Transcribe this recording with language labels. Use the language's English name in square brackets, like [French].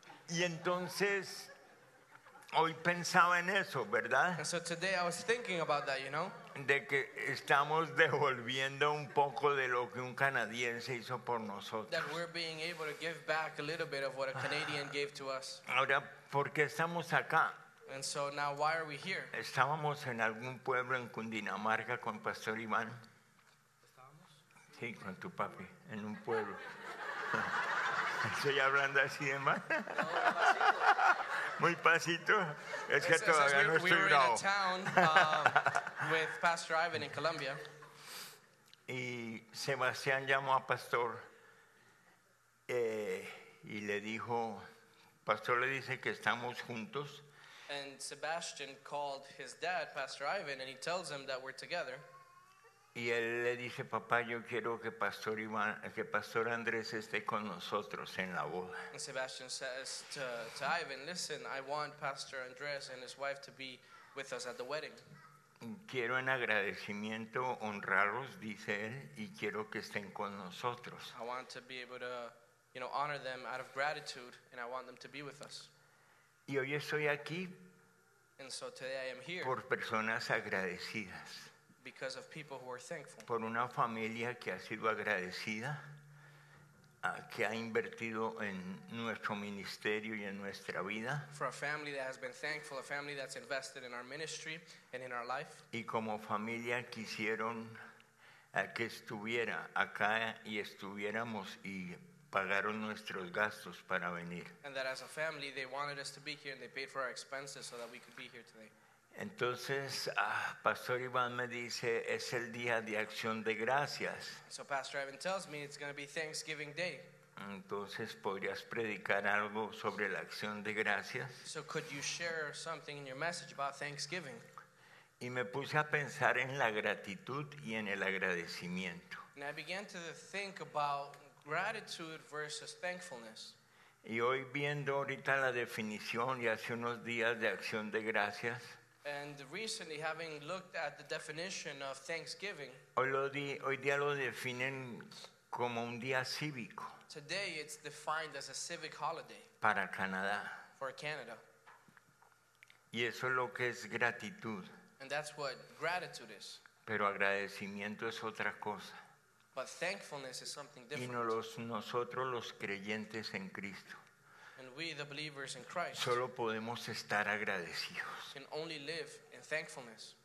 [Spanish] Y entonces hoy pensaba en eso, ¿verdad? [English] And so today I was thinking about that, you know? [Spanish] De que estamos devolviendo un poco de lo que un canadiense hizo por nosotros. [English] That we're being able to give back a little bit of what a Canadian gave to us. [Spanish] Ahora, ¿por qué estamos acá? [English] And so now, why are we here? [Spanish] Estábamos en algún pueblo en Cundinamarca con Pastor Iván. ¿Estábamos? Sí, con tu papi, en un pueblo. Estoy hablando así de mal. Muy pasito. Es que todavía no estoy grabado. [English] We were in a town with Pastor Ivan in Colombia. [Spanish] Y Sebastián llamó a Pastor y le dijo, Pastor le dice que estamos juntos. [English] And Sebastian called his dad, Pastor Ivan, and he tells him that we're together. [Spanish] Y él le dice, papá, yo quiero que Pastor Iván, que Pastor Andrés esté con nosotros en la boda. [English] And Sebastian says to Ivan, listen, I want Pastor Andrés and his wife to be with us at the wedding. [Spanish] Quiero en agradecimiento honrarlos, dice él, y quiero que estén con nosotros. [English] I want to be able to, you know, honor them out of gratitude, and I want them to be with us. [Spanish] Y hoy estoy aquí. [English] And so today I am here. [Spanish] Por personas agradecidas. [English] Because of people who are thankful. [Spanish] Por una familia que ha sido agradecida, que ha invertido en nuestro ministerio y en nuestra vida. [English] For a family that has been thankful, a family that's invested in our ministry and in our life. [Spanish] Y como familia quisieron que estuviera acá y estuviéramos y pagaron nuestros gastos para venir. [English] And that as a family they wanted us to be here and they paid for our expenses so that we could be here today. [Spanish] Entonces, Pastor Iván me dice, es el día de Acción de Gracias. [English] So Pastor Ivan tells me it's going to be Thanksgiving Day. [Spanish] Entonces, ¿podrías predicar algo sobre la Acción de Gracias? [English] So could you share something in your message about Thanksgiving? [Spanish] Y me puse a pensar en la gratitud y en el agradecimiento. [English] And I began to think about gratitude versus thankfulness. [Spanish] Y hoy viendo ahorita la definición y hace unos días de Acción de Gracias. [English] And recently, having looked at the definition of Thanksgiving, [Spanish] hoy día lo definen como un día cívico. [English] Today it's defined as a civic holiday. [Spanish] Para Canadá. [English] For Canada. [Spanish] Y eso es lo que es gratitud. [English] And that's what gratitude is. [Spanish] Pero agradecimiento es otra cosa. [English] But thankfulness is something different. [Spanish] Y nosotros los creyentes en Cristo. [English] And we, the believers in Christ, [Spanish] solo podemos estar agradecidos. [English] Can only live in thankfulness.